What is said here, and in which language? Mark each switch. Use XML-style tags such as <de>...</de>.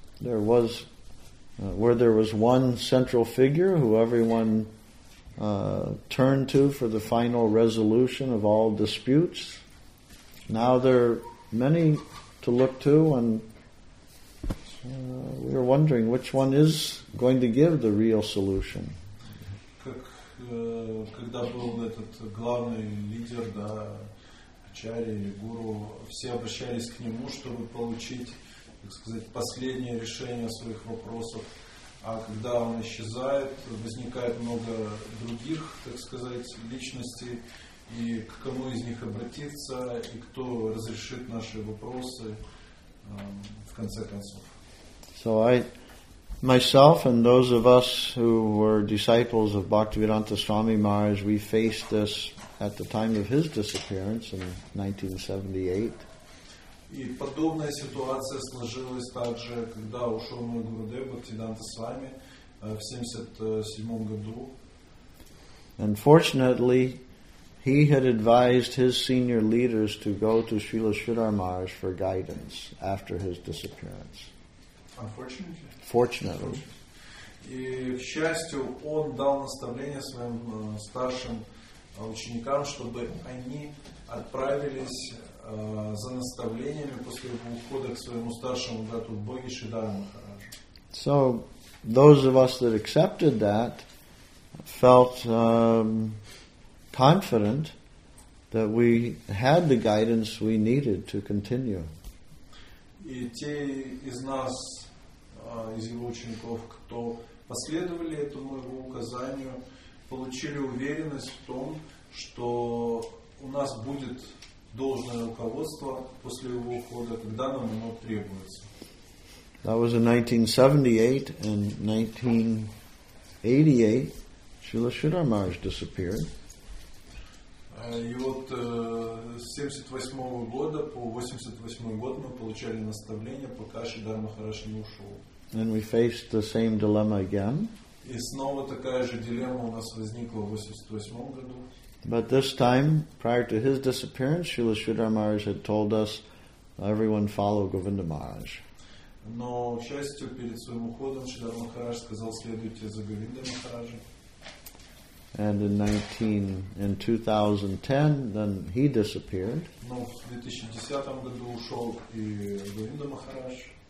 <en>There was, where there was one central figure who everyone turned to for the final resolution of all disputes. Now there are many to look to, and we are wondering which one is going to give the real solution.</en> <ru>Как когда был этот главный лидер, да, Ачарья или гуру, все обращались к нему, чтобы получить, так сказать, последнее решение своих вопросов. А когда он исчезает, возникает много других, так сказать, личностей. И к кому из них обратиться, и кто разрешит наши вопросы в конце концов.</ru> <en>So I, myself and those of us who were disciples of Bhaktivedanta Swami Maharaj, we faced this at the time of his disappearance in 1978.</en> <ru>И подобная ситуация сложилась также, когда ушел мой гурудев Бхактивиданта Свами в 77 году.</ru> <en>And fortunately, he had advised his senior leaders to go to Srila Sridhar Maharaj for guidance after his disappearance. Fortunately.</en> <ru>И, к счастью, он дал наставление своим старшим ученикам, чтобы они отправились за наставлениями после его ухода к своему старшему брату Боги Шридхар Махараджу.</ru> <en>So, those of us that accepted that felt confident that we had the guidance we needed to continue.</en> <ru>И те из нас, из его учеников, кто последовали этому его указанию, получили уверенность в том, что у нас будет должное руководство после его ухода, когда нам оно требуется.</ru> <en>That was in 1978, and 1988, Srila Sridhar Maharaj disappeared.</en> <ru>И вот с 78 года по 88 год мы получали наставление, пока Шридхар Махарадж не ушел.</ru> <en>And we faced the same dilemma again.</en> <ru>И снова такая же дилемма у нас возникла в 88 году.</ru> <en>But this time, prior to his disappearance, Srila Sridhar Maharaj had told us, everyone follow Govinda Maharaj.</en> <ru>Но, к счастью, перед своим уходом Шридхар Махарадж сказал, следуйте за Говиндой Махараджем.</ru> <en>And in 2010, then he disappeared.</en> <ru>Но в 2010 году ушел и Говинда Махарадж.</ru>